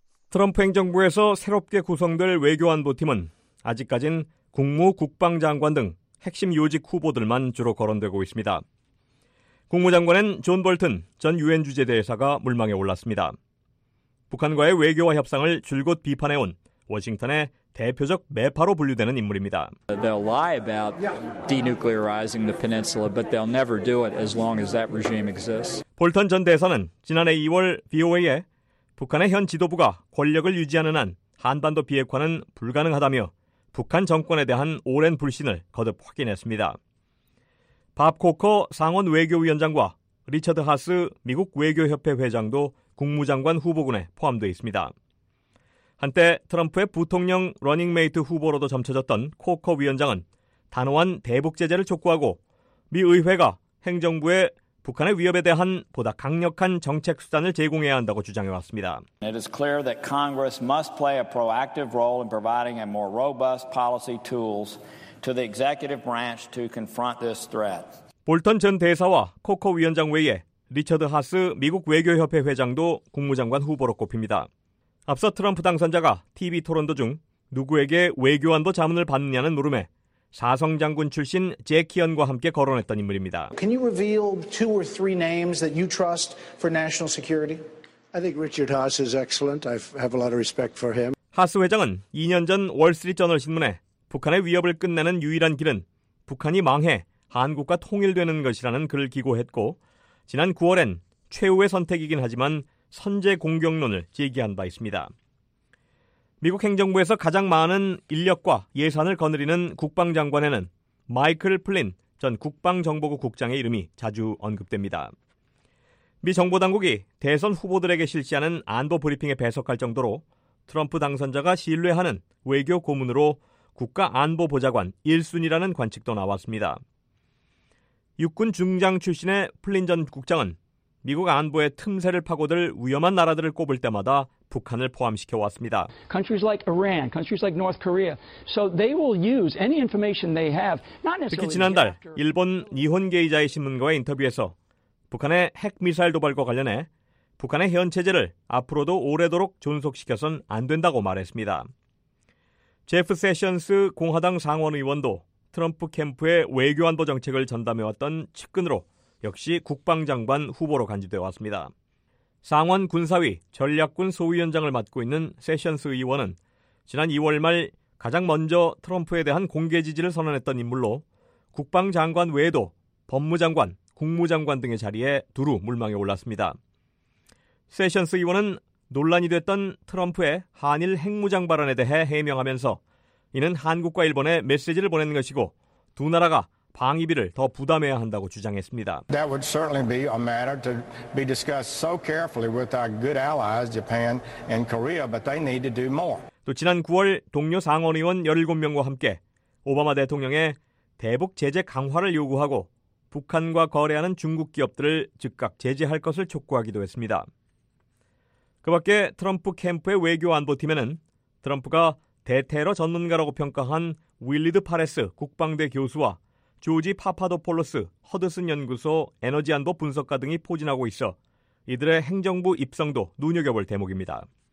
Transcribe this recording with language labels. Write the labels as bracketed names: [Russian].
[Korean] 트럼프 행정부에서 새롭게 구성될 외교 안보팀은 아직까진 국무 국방장관 등 핵심 요직 후보들만 주로 거론되고 있습니다. 국무장관은 존 볼튼 전 유엔 주재대사가 물망에 올랐습니다. 북한과의 외교와 협상을 줄곧 비판해온 워싱턴의 대표적 매파로 분류되는 인물입니다. [English] They'll lie about denuclearizing the peninsula, but they'll never do it as long as that regime exists. [Korean] 볼튼 전 대사는 지난해 2월 VOA에 북한의 현 지도부가 권력을 유지하는 한 한반도 비핵화는 불가능하다며 북한 정권에 대한 오랜 불신을 거듭 확인했습니다. 밥 코커 상원 외교위원장과 리처드 하스 미국 외교협회 회장도 국무장관 후보군에 포함되어 있습니다. 한때 트럼프의 부통령 러닝메이트 후보로도 점쳐졌던 코커 위원장은 단호한 대북 제재를 촉구하고 미 의회가 행정부에 북한의 위협에 대한 보다 강력한 정책 수단을 제공해야 한다고 주장해 왔습니다. [English] It is clear that Congress must play a proactive role in providing a more robust policy tools to the executive branch to confront this threat. [Korean] 볼턴 전 대사와 코커 위원장 외에 리처드 하스 미국 외교협회 회장도 국무장관 후보로 꼽힙니다. 앞서 트럼프 당선자가 TV 토론도 중 누구에게 외교안보 자문을 받느냐는 물음에 사성 장군 출신 제키언과 함께 거론했던 인물입니다. [English] Can you reveal two or three names that you trust for national security? I think Richard Haas is excellent. I have a lot of respect for him. [Korean] 하스 회장은 2년 전 월스트리트저널 신문에 북한의 위협을 끝내는 유일한 길은 북한이 망해 한국과 통일되는 것이라는 글을 기고했고 지난 9월엔 최후의 선택이긴 하지만 선제 공격론을 제기한 바 있습니다. 미국 행정부에서 가장 많은 인력과 예산을 거느리는 국방장관에는 마이클 플린 전 국방정보국 국장의 이름이 자주 언급됩니다. 미 정보당국이 대선 후보들에게 실시하는 안보 브리핑에 배석할 정도로 트럼프 당선자가 신뢰하는 외교 고문으로 국가 안보 보좌관 1순위라는 관측도 나왔습니다. 육군 중장 출신의 플린 전 국장은 미국 안보의 틈새를 파고들 위험한 나라들을 꼽을 때마다 북한을 포함시켜 왔습니다. [English] Countries like Iran, countries like North Korea. So they will use any information they have. Not necessarily. [Korean] 특히 지난달 일본 니혼 게이자의 신문과의 인터뷰에서 북한의 핵 미사일 도발과 관련해 북한의 현 체제를 앞으로도 오래도록 존속시켜선 안 된다고 말했습니다. 제프 세션스 공화당 상원 의원도 트럼프 캠프의 외교 안보 정책을 전담해 왔던 측근으로 역시 국방장관 후보로 간주되어 왔습니다. 상원 군사위 전략군 소위원장을 맡고 있는 세션스 의원은 지난 2월 말 가장 먼저 트럼프에 대한 공개 지지를 선언했던 인물로 국방장관 외에도 법무장관, 국무장관 등의 자리에 두루 물망에 올랐습니다. 세션스 의원은 논란이 됐던 트럼프의 한일 핵무장 발언에 대해 해명하면서 이는 한국과 일본에 메시지를 보내는 것이고 두 나라가 방위비를 더 부담해야 한다고 주장했습니다. [English] That would certainly be a matter to be discussed so carefully with our good allies Japan and Korea, but they need to do more. [Korean] 또 지난 9월 동료 상원 의원 17명과 함께 오바마 대통령의 대북 제재 강화를 요구하고 북한과 거래하는 중국 기업들을 즉각 제재할 것을 촉구하기도 했습니다. 그 밖에 트럼프 캠프의 외교 안보팀에는 트럼프가 대테러 전문가라고 평가한 윌리드 파레스 국방대 교수와 조지 파파도폴로스 허드슨 연구소 에너지 안보 분석가 등이 포진하고 있어 이들의 행정부 입성도 눈여겨볼 대목입니다.